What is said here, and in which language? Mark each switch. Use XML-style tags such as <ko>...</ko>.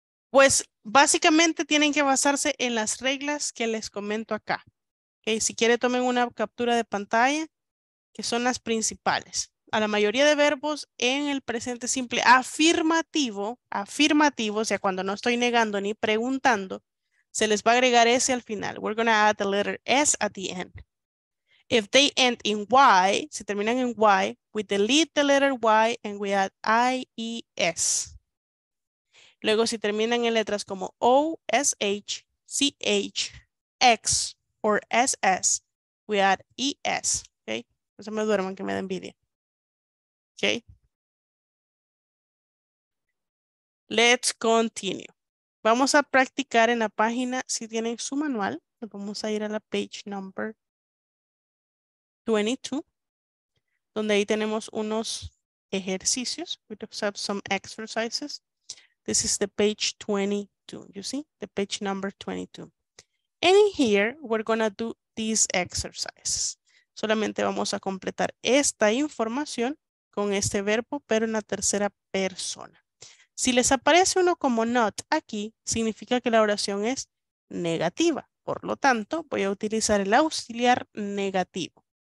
<es>Pues básicamente tienen que basarse en las reglas que les comento acá. Okay, si quiere, tomen una captura de pantalla, que son las principales. A la mayoría de verbos en el presente simple afirmativo, afirmativo, o sea, cuando no estoy negando ni preguntando, se les va a agregar S al final.</es> <en>We're gonna add the letter S at the end. If they end in Y,</en> <es>si terminan en Y,</es> <en>we delete the letter Y and we add I, E, S.</en> <es>Luego, si terminan en letras como O, S, H, C, H, X, or S, S,</es> <en>we add E, S.</en> <es>Okay? No se me duerman, que me da envidia. Okay?</es> <en>Let's continue.</en> <es>Vamos a practicar en la página, si tienen su manual, vamos a ir a la</es> <en>page number 22,</en> <es>donde ahí tenemos unos ejercicios.</es> <en>We have some exercises. This is the page 22, you see? The page number 22. And in here, we're gonna do these exercises.</en> <es>Solamente vamos a completar esta información con este verbo, pero en la tercera persona. Si les aparece uno como not aquí, significa que la oración es negativa. Por lo tanto, voy a utilizar el auxiliar negativo.</es>